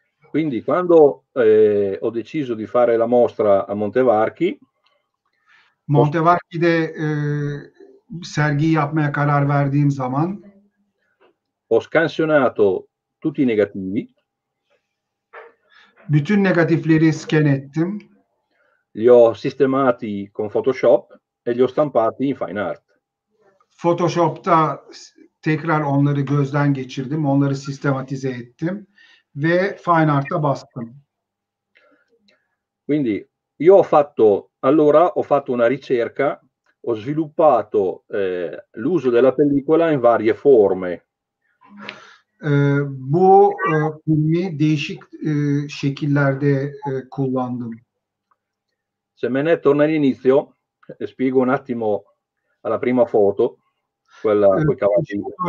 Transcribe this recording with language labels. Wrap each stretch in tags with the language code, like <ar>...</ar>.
<it>Quindi quando ho deciso di fare la mostra a Montevarchi.</it> <tr>Montevarchi'de sergi yapmaya karar verdiğim zaman</tr> <it>ho scansionato tutti i negativi.</it> <tr>Bütün negatifleri scan ettim.</tr> <it>Li ho sistemati con Photoshop e li ho stampati in Fine Art.</it> <tr>Photoshop'ta tekrar onları gözden geçirdim, onları sistematize ettim ve Fine Art'ta bastım.</tr> <it>Quindi io ho fatto una ricerca, ho sviluppato l'uso della pellicola in varie forme.</it> <tr>Bu filmi değişik şekillerde kullandım.</tr> <it>Se me ne torno all'inizio, spiego un attimo alla prima foto, quella con i cavalli.</it>